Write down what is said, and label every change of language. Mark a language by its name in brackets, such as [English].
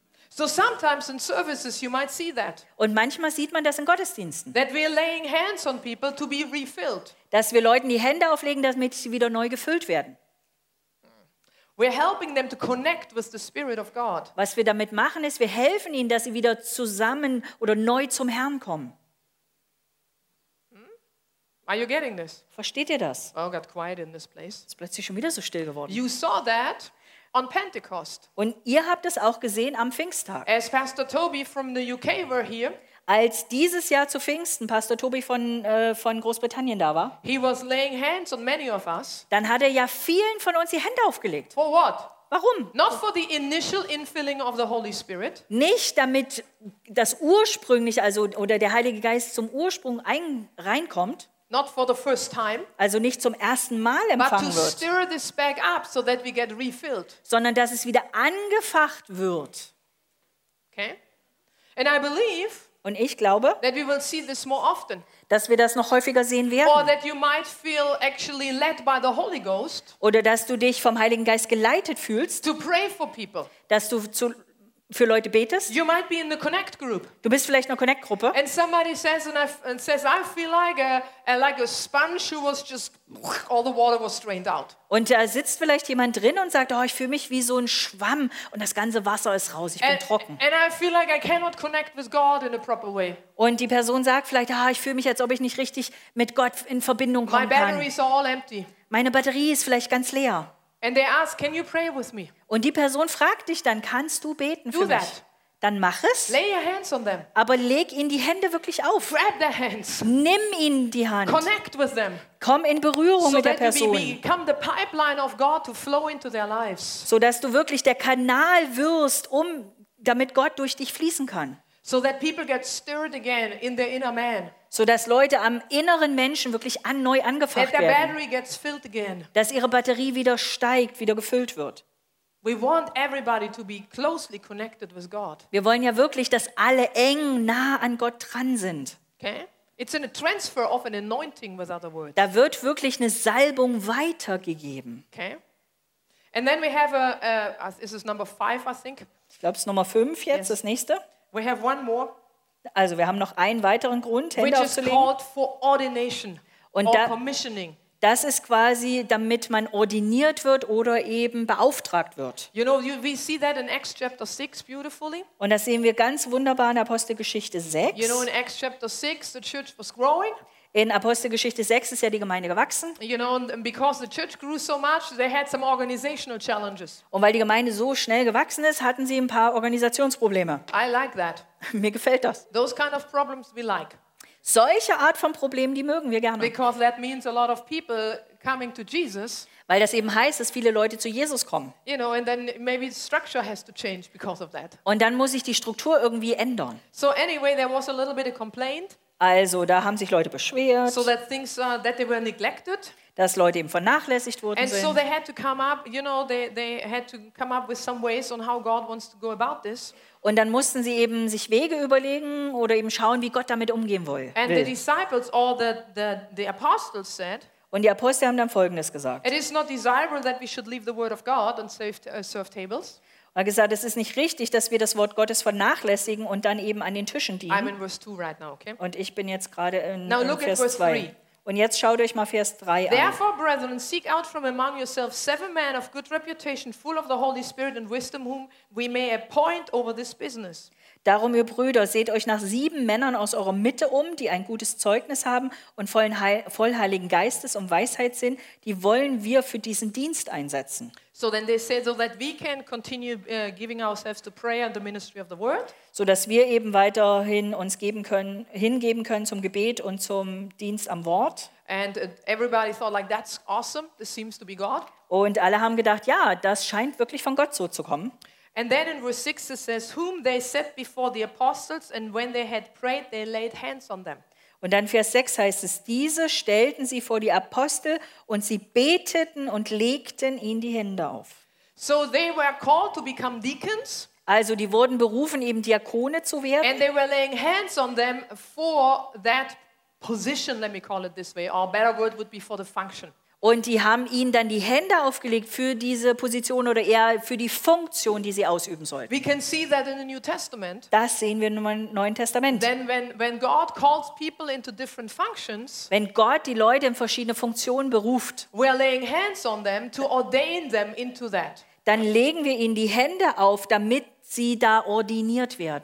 [English] So sometimes in services you might see that. [German] Und manchmal sieht man das in Gottesdiensten. [English] That we are laying hands on people to be refilled. [German] Dass wir Leuten die Hände auflegen, damit sie wieder neu gefüllt werden. [English] We're helping them to connect with the Spirit of God. [German] Was wir damit machen ist, wir helfen ihnen, dass sie wieder zusammen oder neu zum Herrn kommen. [English] Are you getting this? [German] Versteht ihr das? [English] Oh, got quiet in this place. [German] Ist plötzlich schon wieder so still geworden. [English] You saw that on Pentecost. [German] Und ihr habt es auch gesehen am Pfingsttag. [English] As Pastor Toby from the UK were here. [German] Als dieses Jahr zu Pfingsten Pastor Toby von Großbritannien da war, [English] he was laying hands on many of us. [German] Dann hat er ja vielen von uns die Hände aufgelegt. [English] For what? [German] Warum? [English] Not for the initial infilling of the Holy Spirit. [German] Nicht damit das ursprünglich, also oder der Heilige Geist zum Ursprung reinkommt. [English] Not for the first time, [German] also nicht zum ersten Mal empfangen [English] but to [German] wird. [English] Stir this back up so that we get refilled. [German] Sondern dass es wieder angefacht wird. [English] Okay? And I believe [German] und ich glaube, [English] that we will see this more often. [German] Dass wir das noch häufiger sehen werden. [English] Or that you might feel actually led by the Holy Ghost. [German] Oder dass du dich vom Heiligen Geist geleitet fühlst. [English] To pray for people. [German] Dass du zu für Leute betest. [English] You might be in the Connect group. [German] Du bist vielleicht in der Connect Gruppe. [English] And somebody says and says I feel like a sponge who was just all the water was drained out. [German] Und da sitzt vielleicht jemand drin und sagt, oh, ich fühle mich wie so ein Schwamm und das ganze Wasser ist raus, ich bin trocken. [English] And I feel like I cannot connect with God in a proper way. [German] Und die Person sagt vielleicht, ah, ich fühle mich, als ob ich nicht richtig mit Gott in Verbindung kommen kann. [English] My batteries are all empty. [German] Meine Batterie ist vielleicht ganz leer. [English] And they ask, can you pray with me? [German] Und die Person fragt dich, dann kannst du beten für mich. Dann mach es. [English] Lay your hands on them. [German] Aber leg ihnen die Hände wirklich auf. [English] Grab their hands. [German] Nimm ihnen die Hand. [English] Connect with them. [German] Komm in Berührung [English] so [German] mit der Person. [English] Become the pipeline of God to flow into their lives. [German] So dass du wirklich der Kanal wirst, um damit Gott durch dich fließen kann. [English] So that people get stirred again in their inner man. [German] So dass Leute am inneren Menschen wirklich neu angefacht [English] that [German] werden. [English] Gets filled again. [German] Dass ihre Batterie wieder steigt, wieder gefüllt wird. [English] We want everybody to be closely connected with God. [German] Wir wollen ja wirklich, dass alle eng nah an Gott dran sind. [English] Okay? It's in a transfer of an anointing with other words. [German] Da wird wirklich eine Salbung weitergegeben. [English] Okay? And then we have is this number 5, I think? [German] Ich glaube, es ist Nummer 5 jetzt, yes. Das nächste. [English] We have one more. [German] Also wir haben noch einen weiteren Grund, Hände aufzulegen. [English] Which is called for ordination [German] und [English] or commissioning. [German] Das ist quasi, damit man ordiniert wird oder eben beauftragt wird. [English] You know, we see that in Acts chapter 6 beautifully. [German] Und das sehen wir ganz wunderbar in Apostelgeschichte 6. [English] You know, in Acts chapter 6, the church was growing. [German] In Apostelgeschichte 6 ist ja die Gemeinde gewachsen. [English] You know, and because the church grew so much, they had some organizational challenges. [German] Und weil die Gemeinde so schnell gewachsen ist, hatten sie ein paar Organisationsprobleme. [English] I like that. [German] Mir gefällt das. [English] Those kind of problems we like. [German] Solche Art von Problemen, die mögen wir gerne. [English] Because that means a lot of people coming to Jesus. [German] Weil das eben heißt, dass viele Leute zu Jesus kommen. [English] You know, and then maybe structure has to change because of that. [German] Und dann muss sich die Struktur irgendwie ändern. [English] So anyway, there was a little bit of complaint. [German] Also, da haben sich Leute beschwert. [English] So that things that they were neglected. [German] Dass Leute eben vernachlässigt wurden. [English] And [German] sind. [English] So they had to come up, you know, they had to come up with some ways on how God wants to go about this. [German] Und dann mussten sie eben sich Wege überlegen oder eben schauen, wie Gott damit umgehen will. [English] And the disciples or the apostles said. [German] Und die Apostel haben dann Folgendes gesagt. [English] It is not desirable that we should leave the word of God and serve tables. [German] Er hat gesagt, es ist nicht richtig, dass wir das Wort Gottes vernachlässigen und dann eben an den Tischen dienen. [English] I'm in verse 2 right now, okay? [German] Und ich bin jetzt gerade in Vers 2. Und jetzt schaut euch mal Vers 3 an. [English] Therefore, brethren, seek out from among yourselves 7 men of good reputation, full of the Holy Spirit and wisdom, whom we may appoint over this business. [German] Darum, ihr Brüder, seht euch nach 7 Männern aus eurer Mitte um, die ein gutes Zeugnis haben und voll Heiligen Geistes und Weisheit sind. Die wollen wir für diesen Dienst einsetzen. [English] So then they said, so that we can continue giving ourselves to prayer and the ministry of the word. [German] So dass wir eben weiterhin uns geben können, hingeben können zum Gebet und zum Dienst am Wort. [English] And everybody thought like, that's awesome, this seems to be God. [German] Und alle haben gedacht, ja, das scheint wirklich von Gott so zu kommen. [English] And then in verse 6 it says, whom they set before the apostles, and when they had prayed, they laid hands on them. [German] Und dann Vers 6 heißt es, diese stellten sie vor die Apostel und sie beteten und legten ihnen die Hände auf. [English] So they were called to become deacons. [German] Also die wurden berufen, eben Diakone zu werden. [English] And they were laying hands on them for that position, let me call it this way, or a better word would be for the function. [German] Und die haben ihnen dann die Hände aufgelegt für diese Position oder eher für die Funktion, die sie ausüben sollten. [English] We can see that in the New Testament. [German] Das sehen wir im Neuen Testament. [English] Then when God calls people into different functions, [German] wenn Gott die Leute in verschiedene Funktionen beruft, [English] we are laying hands on them to ordain them into that. [German] Dann legen wir ihnen die Hände auf, damit sie da ordiniert werden.